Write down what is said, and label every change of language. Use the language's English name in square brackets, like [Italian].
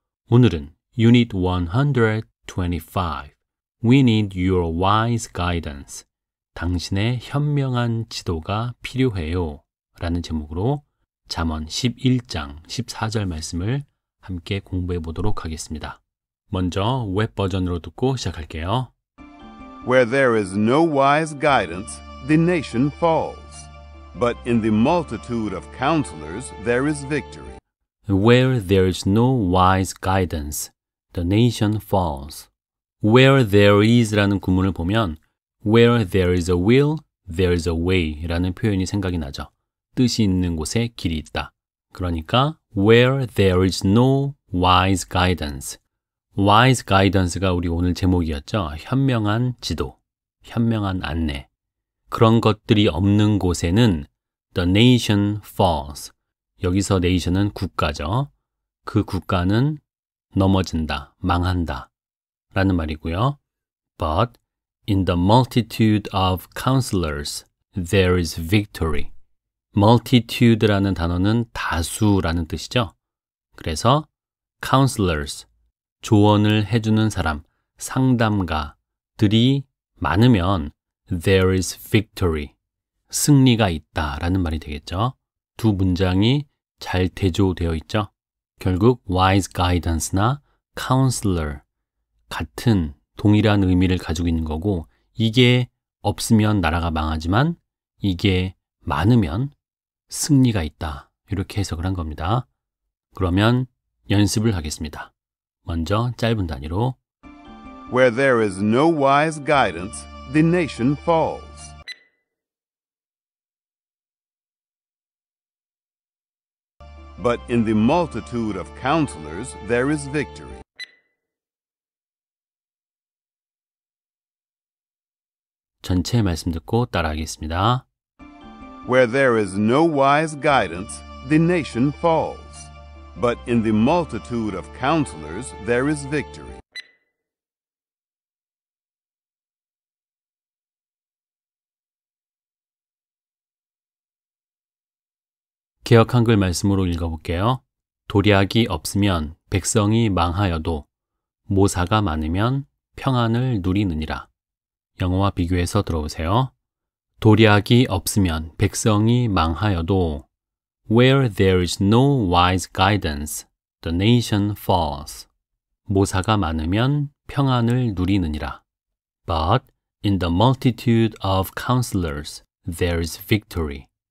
[Korean] 오늘은 Unit 125, [English] We Need Your Wise Guidance, [Korean] 당신의 현명한 지도가 필요해요 라는 제목으로 잠언 11장 14절 말씀을 함께 공부해 보도록 하겠습니다. 먼저 웹 버전으로 듣고 시작할게요. [English] Where there is no wise guidance, the nation falls. But in the multitude of counselors, there is victory. Where there is no wise guidance, the nation falls. Where there is [Korean] 라는 구문을 보면 [English] Where there is a will, there is a way [Korean] 라는 표현이 생각이 나죠. 뜻이 있는 곳에 길이 있다. 그러니까 [English] where there is no wise guidance. wise guidance [Korean] 가 우리 오늘 제목이었죠. 현명한 지도, 현명한 안내. 그런 것들이 없는 곳에는 [English] the nation falls. [Korean] 여기서 nation은 국가죠. 그 국가는 넘어진다, 망한다 라는 말이고요. [English] But in the multitude of counselors, there is victory. [Korean] multitude라는 단어는 다수라는 뜻이죠. 그래서 counselors, 조언을 해주는 사람, 상담가들이 많으면 [English] there is victory, [Korean] 승리가 있다 라는 말이 되겠죠. 두 문장이 잘 대조되어 있죠. 결국 wise guidance나 counselor 같은 동일한 의미를 가지고 있는 거고 이게 없으면 나라가 망하지만 이게 많으면 승리가 있다. 이렇게 해석을 한 겁니다. 그러면 연습을 하겠습니다. 먼저 짧은 단위로 [English] Where there is no wise guidance, the nation falls. 'But in the multitude of counselors, there is victory.' [Korean] 전체 말씀 듣고 따라하겠습니다. [English] Where there is no wise guidance, the nation falls. But in the multitude of counselors, there is victory. [Korean] 개역 한글 말씀으로 읽어볼게요. 도략이 없으면 백성이 망하여도 모사가 많으면 평안을 누리느니라. 영어와 비교해서 들어보세요. 도략이 없으면 백성이 망하여도 [English] Where there is no wise guidance, the nation falls. [Korean] 모사가 많으면 평안을 누리느니라. [English] But in the multitude of counselors, there is victory.